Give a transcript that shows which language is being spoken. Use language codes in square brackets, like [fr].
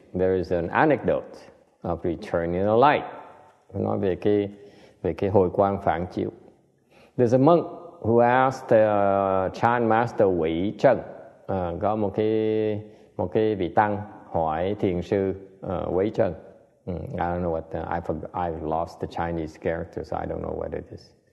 [en] There is an anecdote of returning the light. [vi] Nói về cái hồi quang phản chiếu. [en] There's a monk who asked the Chan Master Wei Cheng, [vi] có một cái vị tăng hỏi thiền sư Quế Trân. [en] I don't know what the, I've lost the Chinese character, so I don't know what it is.